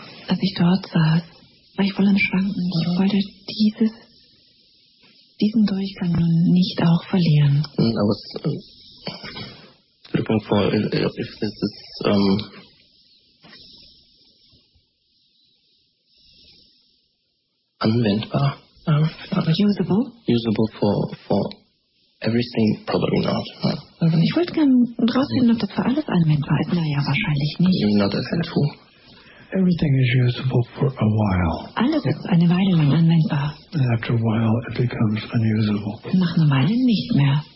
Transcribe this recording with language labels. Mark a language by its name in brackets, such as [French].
[German] Als ich dort saß, war ich voll am Schwanken. Ich wollte diesen Durchgang nun nicht auch verlieren. [English] And I was looking for if this is anwendbar. Usable for everything, probably not. [German] Also ich wollte gerne rausfinden, ob das für alles anwendbar ist. Naja, wahrscheinlich nicht. [English] Not as helpful. Everything is usable for a while. [German] Alles ist eine Weile lang anwendbar. [English] And after a while, it becomes unusable. [German] Nach einer Weile nicht mehr.